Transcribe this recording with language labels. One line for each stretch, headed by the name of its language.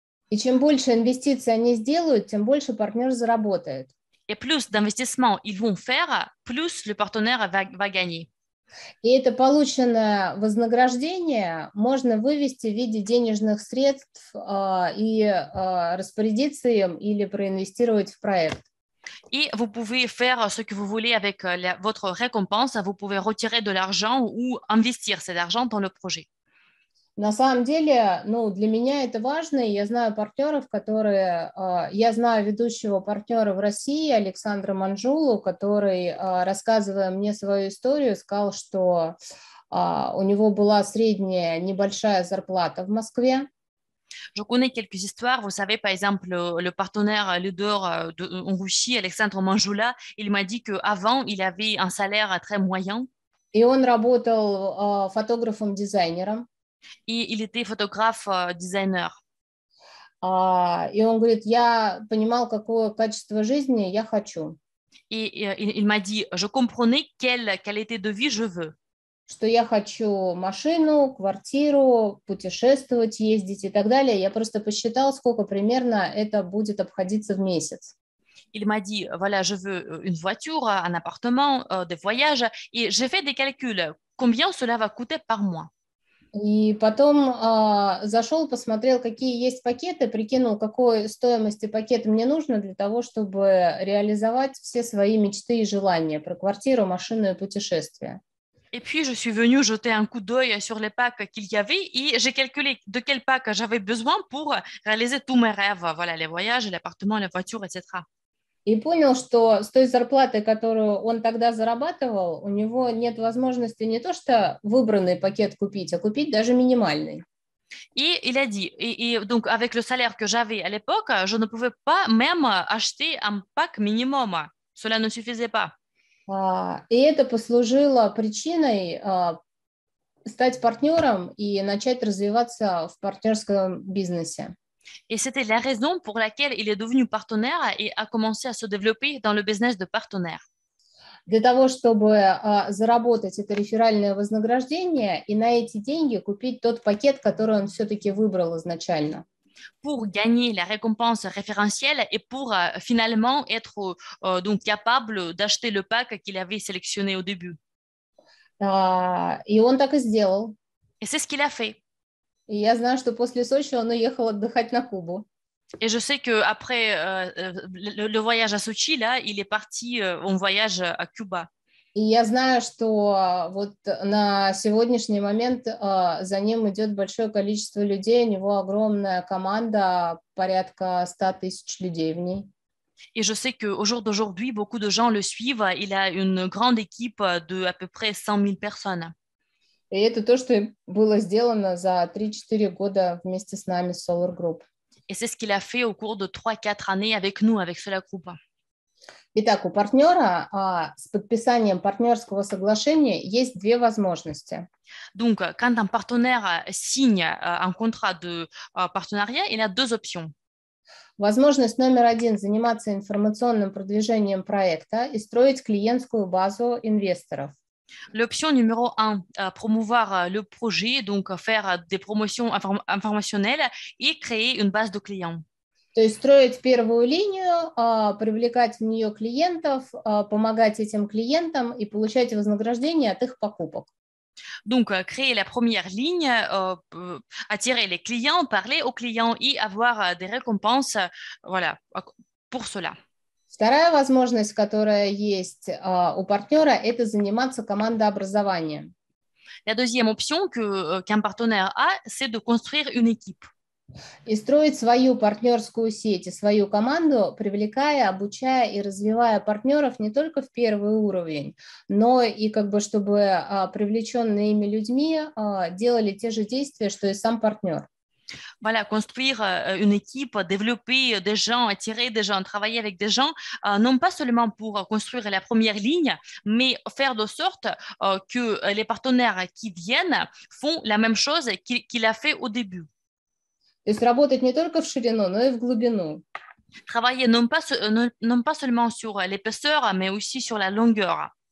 French: Et
Russian: чем больше инвестиций они сделают, тем больше партнер заработает.
French: Et plus d'investissements ils vont faire, plus le partenaire va gagner.
Russian: И это полученное вознаграждение можно вывести в виде денежных средств и распорядиться им или проинвестировать в проект.
French: Et vous pouvez faire ce que vous voulez avec votre récompense, vous pouvez retirer de l'argent ou investir cet argent dans le projet.
Russian: На самом деле, для меня это важно, и я знаю партнеров, которые... Я знаю ведущего партнера в России, Александра Манжулу, который, рассказывая мне свою историю, сказал, что у него была средняя небольшая зарплата в Москве.
French: Je connais quelques histoires. Vous savez, par exemple, le partenaire leader en Russie, Александр Манжула, il m'a dit qu'avant, il avait un salaire très moyen.
Russian: И он работал фотографом-дизайнером. И
French: il était photographe-designer.
Russian: И он говорит, я понимал, какое качество жизни я хочу.
French: Et il m'a dit, je comprenais quelle qualité de vie je veux.
Russian: что я хочу машину, квартиру, путешествовать, ездить и так далее. Я просто посчитал, сколько примерно это будет обходиться в месяц.
French: Il m'a dit, voilà, je veux une voiture, un appartement, des voyages, et j'ai fait des calculs, combien cela va coûter par mois.
Russian: И потом зашел, посмотрел, какие есть пакеты, прикинул, какой стоимости пакета мне нужно для того, чтобы реализовать все свои мечты и желания про квартиру, машину и путешествия.
French: Et puis je suis venue jeter un coup d'œil sur les packs qu'il y avait et j'ai calculé de quel pack j'avais besoin pour réaliser tous mes rêves, voilà, les voyages, l'appartement, la voiture, etc.
Russian: И понял, что с той зарплатой, которую он тогда зарабатывал, у него нет возможности не то что выбранный пакет купить, а купить даже минимальный. И
French: il a dit,
Russian: и
French: donc avec le salaire que j'avais à l'époque, je ne pouvais pas même acheter un pack minimum. Cela ne suffisait pas.
Russian: И это послужило причиной стать партнером и начать развиваться в партнерском бизнесе.
French: Et c'était la raison pour laquelle il est devenu partenaire et a commencé à se développer dans le business de partenaire.
Russian: Для того, чтобы заработать это реферальное вознаграждение и на эти деньги купить тот пакет, который он все-таки выбрал изначально.
French: Pour gagner la récompense référentielle et pour finalement être donc capable d'acheter le pack qu'il avait sélectionné au début.
Russian: И он так и сделал.
French: Et c'est ce qu'il a fait.
Russian: И я знаю, что после Сочи он уехал отдыхать на Кубу.
French: Et je sais que après le voyage à Sochi là, il est parti en voyage à Cuba.
Russian: И я знаю, что вот на сегодняшний момент за ним идет большое количество людей, у него огромная команда, порядка 100 000 людей в ней.
French: Et je sais que au jour d'aujourd'hui, beaucoup de gens le suivent. Il a une grande équipe de à peu près 100 000 personnes.
Russian: И это то, что было сделано за 3-4 года вместе с нами, Solar Group.
French: Et c'est ce qu'il a fait au cours de 3-4 années avec nous, avec Solar Group.
Russian: Итак, у партнера с подписанием партнерского соглашения есть две возможности.
French: Donc, quand un partenaire signe un contrat de partenariat, il a deux options.
Russian: Возможность номер один – заниматься информационным продвижением проекта и строить клиентскую базу инвесторов.
French: L'option numéro un, promouvoir le projet, donc faire des promotions informationnelles et créer une base de clients.
Russian: То есть строить первую линию, привлекать в нее клиентов, помогать этим клиентам и получать вознаграждение от их покупок.
French: Donc, créer la première ligne, attirer les clients, parler aux clients et avoir des récompenses, voilà, pour cela.
Russian: Вторая возможность, которая есть у партнера, это заниматься командообразованием.
French: La deuxième option qu'un partenaire a, c'est de construire une équipe.
Russian: И строить свою партнерскую сеть и свою команду, привлекая, обучая и развивая партнеров не только в первый уровень, но и как бы чтобы привлеченные ими людьми делали те же действия, что и сам партнер.
French: Voilà, construire une équipe, développer des gens, attirer des gens, travailler avec des gens, non pas seulement pour construire la première ligne, mais faire de sorte que les partenaires qui viennent font la même chose qu'il a fait au début.
Russian: То есть работать не только в ширину, но и в глубину.
French: Travailler non pas seulement sur l'épaisseur, mais aussi sur la longueur.